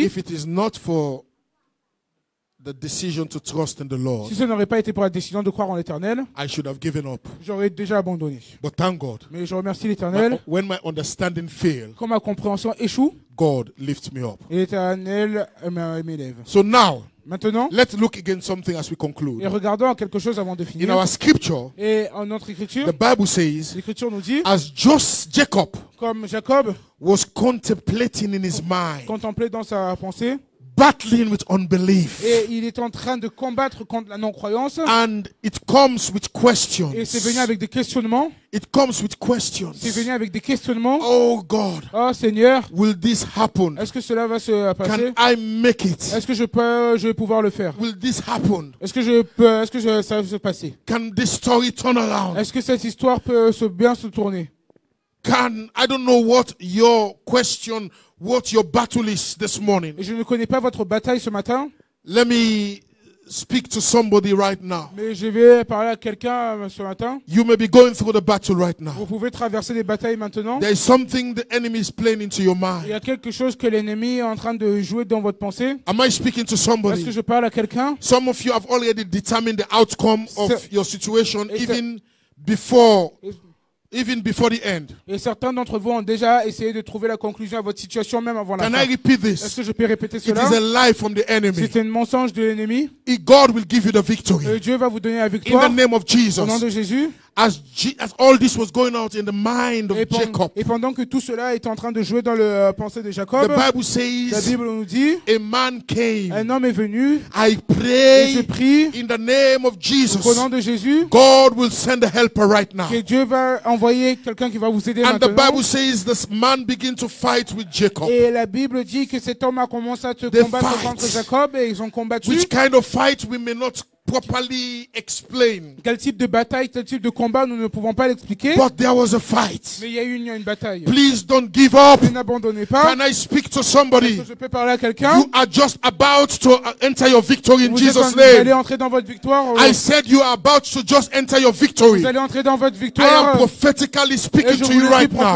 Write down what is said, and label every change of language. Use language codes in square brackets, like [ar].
[en] If it is not for the decision to trust in the Lord. [fr] Si ce n'aurait pas été pour la décision de croire en l'Éternel, [en] I should have given up. [fr] J'aurais déjà abandonné. [en] But thank God. [fr] Mais je remercie l'Éternel. [en] When my understanding failed, [fr] quand ma compréhension échoue, [en] God lifts me up. [fr] L'Éternel m'élève. [en] So now, [fr] Maintenant, [en] let's look again something as we conclude. [fr] Et regardons quelque chose avant de finir. [en] In our scripture, [fr] et en notre écriture, [en] the Bible says, [fr] l'écriture nous dit, [en] as Jacob, [fr] comme Jacob, [en] was contemplating in his mind, [fr] contemplait dans sa pensée, [en] battling with unbelief, [fr] et il est en train de combattre contre la non-croyance, [en] and it comes with questions, [fr] et c'est venu avec des questionnements, [en] it comes with questions, [fr] c'est venu avec des questionnements, [en] oh God, [fr] oh Seigneur, [en] will this happen? [fr] Est-ce que cela va se passer? [en] Can I make it? [fr] Est-ce que je vais pouvoir le faire? [en] Will this happen? [fr] Est-ce que ça va se passer? [en] Can this story turn around? [fr] Est-ce que cette histoire peut se bien se tourner? [en] Can I don't know what your question, what your battle is this morning. [fr] Je ne connais pas votre bataille ce matin. [en] Let me speak to somebody right now. [fr] Mais je vais parler à quelqu'un ce matin. [en] You may be going through the battle right now. [fr] Vous pouvez traverser des batailles maintenant. [en] There is something the enemy is playing into your mind. [fr] Il y a quelque chose que l'ennemi est en train de jouer dans votre pensée. [en] Am I speaking to somebody? [fr] Est-ce que je parle à quelqu'un? [en] Some of you have already determined the outcome of your situation even before the end. [fr] Et certains d'entre vous ont déjà essayé de trouver la conclusion à votre situation même avant la fin. [en] Can I repeat this? [fr] Est-ce que je peux répéter cela? [en] It is a lie from the enemy. [fr] C'est un mensonge de l'ennemi. [en] God will give you the victory. [fr] Et Dieu va vous donner la victoire. [en] In the name of Jesus. [fr] Au nom de Jésus. [en] As all this was going out in the mind of Jacob. [fr] Et pendant que tout cela était en train de jouer dans le pensée de Jacob. [en] The Bible says. [fr] La Bible nous dit. [en] A man came. [fr] Un homme est venu. [en] I pray. [fr] Et je prie. [en] In the name of Jesus. [fr] Au nom de Jésus. [en] God will send a helper right now. [fr] Que Dieu va envoyer quelqu'un qui va vous aider [en] and [fr] maintenant. [en] And the Bible says this man begin to fight with Jacob. [fr] Et la Bible dit que cet homme a commencé à se combattre contre Jacob et ils ont combattu. [en] Which kind of fight we may not properly explain. [fr] Quel type de bataille, quel type de combat, nous ne pouvons pas l'expliquer. [en] But there was a fight. [fr] Mais il y a eu une bataille. [en] Please don't give up. [fr] Mais n'abandonnez pas. [en] Can I speak to somebody? [fr] Est-ce que je peux parler à quelqu'un? [en] You are just about to enter your victory in Jesus' name. [fr] Vous allez entrer dans votre victoire. [en] I said you are about to just enter your victory. [fr] Vous allez entrer dans votre victoire. [en] I am prophetically speaking to you right now.